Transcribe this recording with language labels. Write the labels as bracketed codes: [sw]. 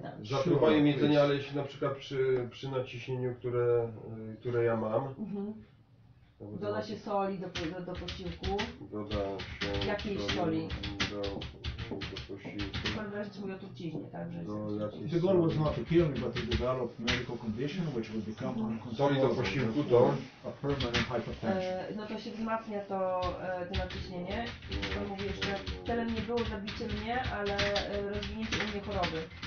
[pl] Zatruwanie jedzenia, ale jeśli na przykład przy naciśnieniu, które ja mam. Mm-hmm. Doda się soli do posiłku. Doda się. Jakiejś soli. [en] The goal was not to kill me, but to develop medical condition, which would become uncontrollable. To a permanent hypertension. [pl] No to się wzmacnia to nadciśnienie. To mówię, że celem nie było zabicie mnie, ale rozwinięcie u mnie choroby.